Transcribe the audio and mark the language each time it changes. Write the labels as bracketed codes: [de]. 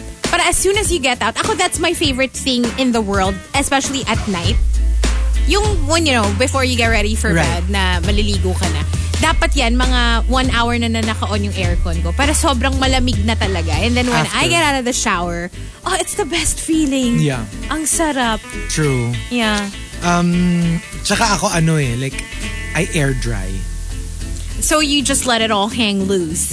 [en] But as soon as you get out, ako, that's my favorite thing in the world, especially at night. Yung, when you know, before you get ready for bed, [tl] na maliligo ka na. Dapat yan, mga 1 hour na naka-on yung aircon ko. Para sobrang malamig na talaga. [en] And then when I get out of the shower, oh, it's the best feeling. Yeah. [tl] Ang sarap. [en] True. Yeah. [tl] Tsaka ako, ano eh, [en] like, I air dry. So you just let it all hang loose.